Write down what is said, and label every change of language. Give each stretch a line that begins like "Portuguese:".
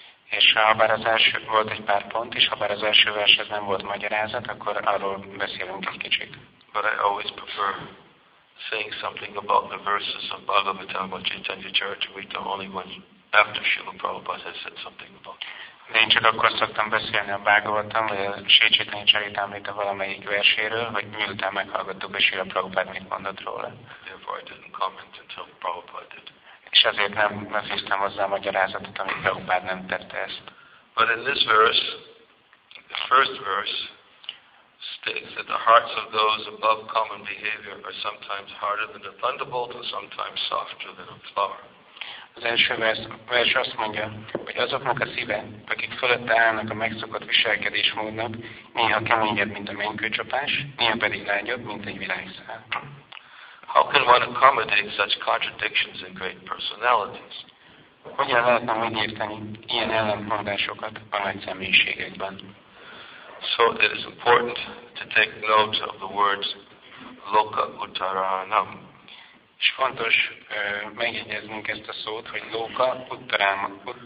Hungarian: És ha bár az első volt egy pár pont, és ha bár az első verset nem volt magyarázat, akkor arról beszélünk egy kicsit.
English: But I always prefer saying something about the verses of Bhagavad Gita, Chaitanya Charitamrita, only when after Srila Prabhupada has said something about it.
Hungarian: De én csak akkor szoktam beszélni a Bhagavatam, vagy a Chaitanya Charitamrita valamelyik verséről, hogy miután meghallgattuk be Srila Prabhupada mit mondott róla.
English: Therefore I didn't comment until Prabhupada did.
Hungarian: És azért nem fűztem hozzá a magyarázatot, amit Prabhupada nem tette ezt.
English: But in this verse, the first verse, states that the hearts of those above common behavior are sometimes harder than a thunderbolt and sometimes softer than a flower.
Hungarian: Az első vers azt mondja, hogy azoknak a szíve, akik fölötte állnak a megszokott viselkedésmódnak, néha keményebb, mint a mennykőcsapás, néha pedig lágyabb, mint egy virágszál.
English: How can one accommodate such contradictions in great personalities?
Hungarian: Hogyan lehetne megérteni ilyen ellentmondásokat a nagy személyiségekben?
English: So it is important to take note of the words loka uttaranam.
Hungarian: És fontos megjegyeznünk ezt a szót, hogy loka uttaranam.